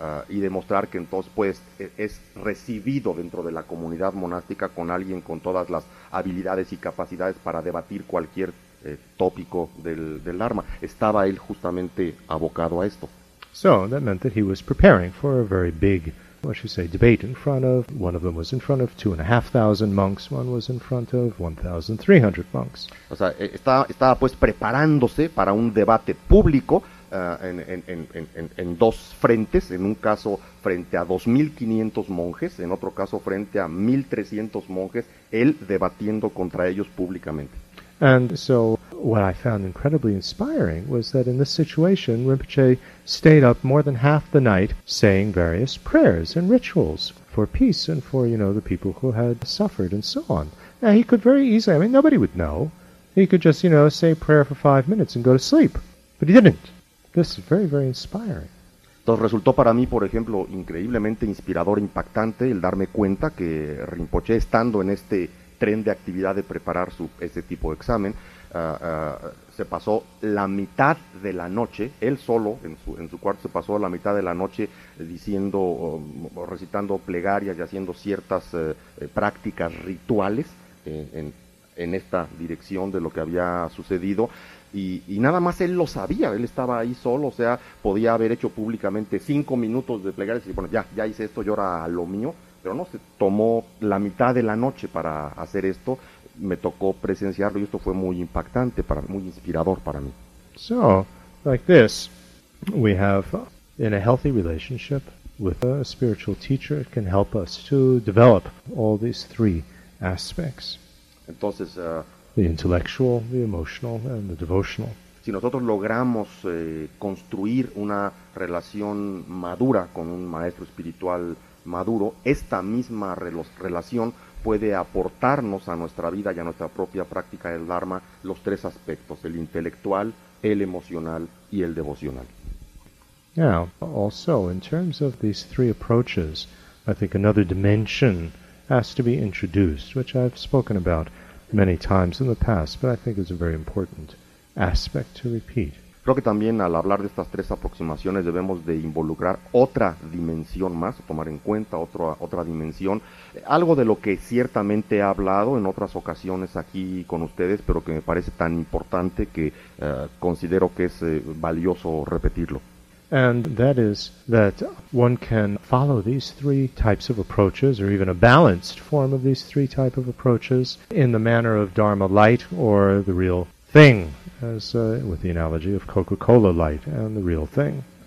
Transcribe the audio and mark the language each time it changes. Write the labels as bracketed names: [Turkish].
[Spanish] y demostrar que entonces pues es recibido dentro de la comunidad monástica con alguien con todas las habilidades y capacidades para debatir cualquier tópico del Dharma. Estaba él justamente abocado a esto. [English] So that meant that he was preparing for a very big, what should I say, debate in front of, one of them was in front of 2,500 monks, one was in front of 1,300 monks. [Spanish] O sea, estaba pues preparándose para un debate público en dos frentes, en un caso frente a 2,500 monjes, en otro caso frente a 1,300 monjes, él debatiendo contra ellos públicamente. [English] And so what I found incredibly inspiring was that in this situation, Rinpoche stayed up more than half the night saying various prayers and rituals for peace and for, you know, the people who had suffered and so on. Now, he could very easily, I mean, nobody would know. He could just, you know, say prayer for 5 minutes and go to sleep. But he didn't. This is very, very inspiring. [Spanish] Entonces resultó para mí, por ejemplo, increíblemente inspirador, impactante, el darme cuenta que Rinpoche, estando en este tren de actividad de preparar ese tipo de examen, se pasó la mitad de la noche, él solo en su cuarto, se pasó la mitad de la noche diciendo, recitando plegarias y haciendo ciertas prácticas rituales en esta dirección de lo que había sucedido, y nada más él lo sabía, él estaba ahí solo, o sea, podía haber hecho públicamente 5 minutos de plegarias y bueno, ya hice esto, yo era lo mío. Pero no, se tomó la mitad de la noche para hacer esto, me tocó presenciarlo y esto fue muy impactante, muy inspirador para mí. [English] So, like this, we have in a healthy relationship with a spiritual teacher, it can help us to develop all these three aspects. [Spanish] Entonces, [English] the intellectual, the emotional, and the devotional. [Spanish] Si nosotros logramos construir una relación madura con un maestro espiritual maduro, esta misma relación puede aportarnos a nuestra vida y a nuestra propia práctica del Dharma los tres aspectos, el intelectual, el emocional y el devocional. [English] Now, also, in terms of these three approaches, I think another dimension has to be introduced, which I've spoken about many times in the past, but I think it's a very important aspect to repeat. [Spanish] Creo que también al hablar de estas tres aproximaciones debemos de involucrar otra dimensión más, tomar en cuenta otra dimensión, algo de lo que ciertamente he hablado en otras ocasiones aquí con ustedes, pero que me parece tan importante que considero que es valioso repetirlo. [English] And that is that one can follow these three types of approaches, or even a balanced form of these three type of approaches, in the manner of Dharma light or the real thing, as with the analogy of Coca-Cola light and the real thing.